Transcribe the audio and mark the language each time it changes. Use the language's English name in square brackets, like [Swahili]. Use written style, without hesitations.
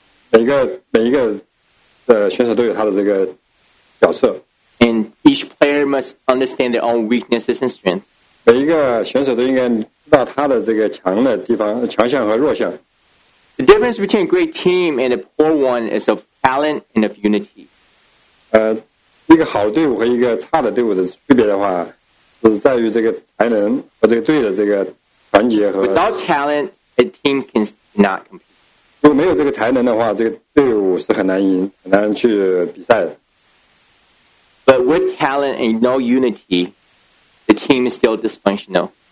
[Chinese] 每一个选手都有他的这个角色。 [English] And each player must understand their own weaknesses and strengths. [Chinese] 每一个选手都应该知道他的这个强项和弱项。 [English] The difference between a great team and a poor one is of talent and of unity. [Chinese] 一个好队伍和一个差的队伍的区别的话，只在于这个才能和这个队的这个团结和。 [English] Without talent, a team cannot compete. [Chinese] 如果没有这个才能的话，这个队伍是很难赢，很难去比赛的。 [English] But with talent and no unity, the team is still dysfunctional.